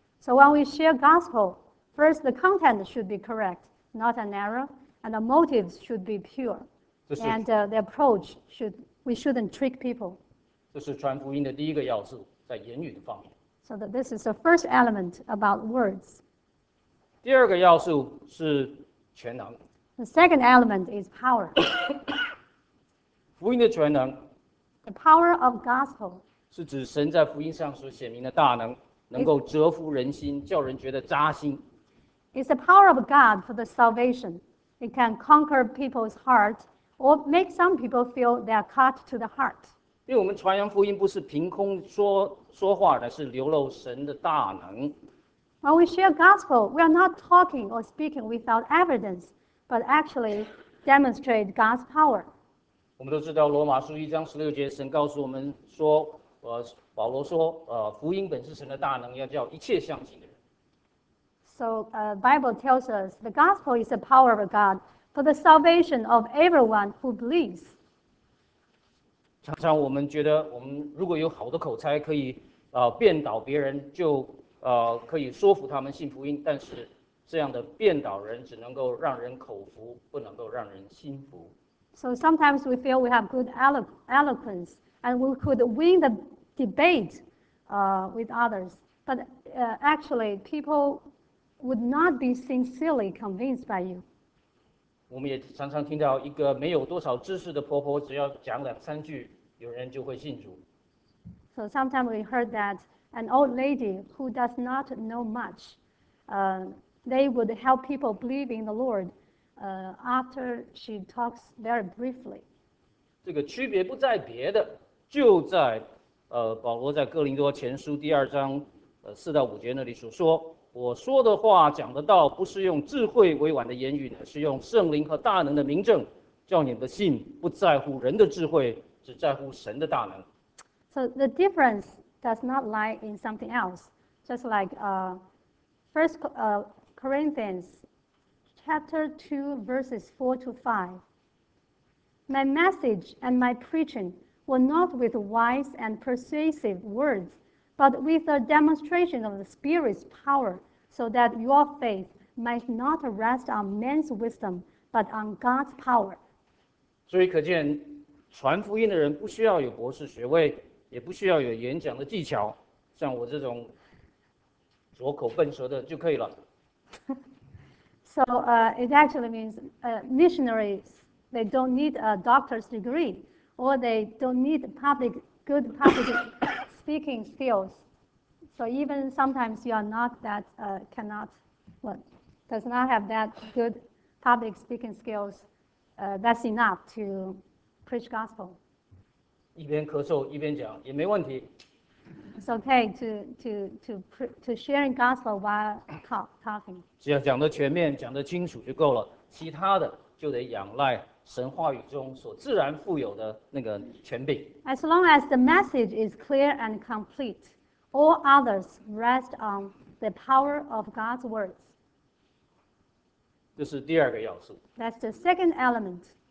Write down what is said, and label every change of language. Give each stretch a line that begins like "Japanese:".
English: So when we share gospel, first the content should be correct, not an error. And the motives should be pure. And the approach should, we shouldn't trick people.
Chinese: 这是传福音的第一个要素，在言语的方面。
English: So that this is the first element about words.
Chinese: 第二个要素是全能。
English: The second element is power.
Chinese: 福音的全能。
English: The power of gospel.
Chinese: 是指神在福音上所显明的大能，能够折服人心，叫人觉得扎心。
English: It's the power of God for the salvation. It can conquer people's heart or make some people feel they are cut to the heart.
Chinese: 因为我们传扬福音不是凭空说话，而是流露神的大能。
English: When we share gospel, we are not talking or speaking without evidence, but actually demonstrate God's power.
Chinese: 我们都知道罗马书一章十六节，神告诉我们说，保罗说，福音本是神的大能，要叫一切相信的人。
English: So, Bible tells us the gospel is the power of God for the salvation of everyone who believes.
Chinese: 常常我们觉得，我们如果有好的口才，可以辩倒别人，就可以说服他们信福音。但是这样的辩倒人只能够让人口服，不能够让人心服。
English: So sometimes we feel we have good eloquence and we could win the debate with others. But actually, people would not be sincerely convinced by you.
Chinese: 我们也常常听到一个没有多少知识的婆婆，只要讲两三句，有人就会信主。
English: So sometimes we heard that an old lady who does not know much, they would help people believe in the Lord. After she talks very briefly.
Chinese: 这个区别不在别的，就在保罗在哥林多前书第二章四到五节那里所说，我说的话讲的道不是用智慧委婉的言语，是用圣灵和大能的明证，叫你们的信不在乎人的智慧，只在乎神的大能。
English: So the difference does not lie in something else. Just like First Corinthians Chapter 2, verses 4 to 5. My message and my preaching were not with wise and persuasive words, but with a demonstration of the Spirit's power, so that your faith might not rest on man's wisdom, but on God's power.
Chinese: 所以可见，传福音的人不需要有博士学位，也不需要有演讲的技巧，像我这种拙口笨舌的就可以了。
English: So it actually means missionaries, they don't need a doctor's degree, or they don't need good public speaking skills. So even sometimes you are not that, does not have that good public speaking skills, that's enough to preach gospel.
Chinese: 一边咳嗽一边讲也没问题。
English: It's okay to sharing gospel while talking.
Chinese: 只要讲得全面，讲得清楚就够了。其他的就得仰赖神话语中所自然富有的那个权柄。
English: As long as the message is clear and complete, all others rest on the power of God's words.
Chinese: 这是第二个要素。
English: That's the second element.